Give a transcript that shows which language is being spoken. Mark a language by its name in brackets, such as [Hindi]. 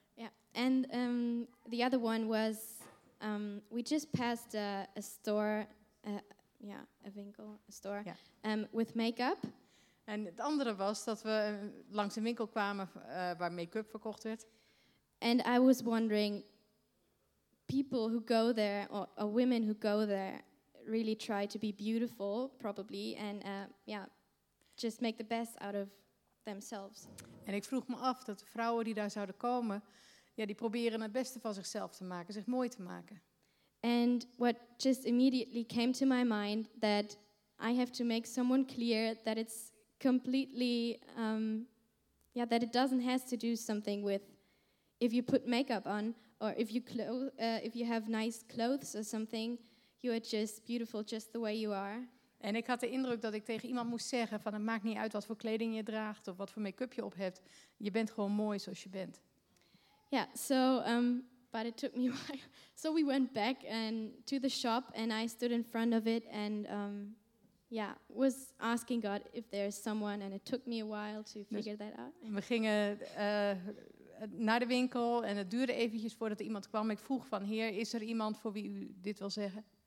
[English] Yeah, and the other one was we just passed a store, a winkel, a store, yeah. With makeup. [Dutch] En het andere was dat we langs een winkel kwamen waar make-up verkocht werd. [English] And I was wondering, people who go there or women who go there. Really try to be beautiful, probably, and just make the best out of themselves. [Dutch] En ik vroeg me af dat de vrouwen die daar zouden komen, ja, die proberen het beste van zichzelf te maken, zich mooi te maken. [English] And what just immediately came to my mind that I have to make someone clear that it's completely, that it doesn't has to do something with if you put makeup on or if you if you have nice clothes or something. You are just beautiful just the way you are. [Dutch] En ik had de indruk dat ik tegen iemand moest zeggen van het maakt niet uit wat voor kleding je draagt of wat voor make-up je op hebt. Je bent gewoon mooi zoals je bent. [English] Yeah, so but it took me a while. So we went back and to the shop and I stood in front of it and was asking God if there's someone and it took me a while to figure that out. [Dutch] We gingen naar de winkel en het duurde eventjes voordat er iemand kwam. Ik vroeg van Heer, is er iemand voor wie u dit wil zeggen?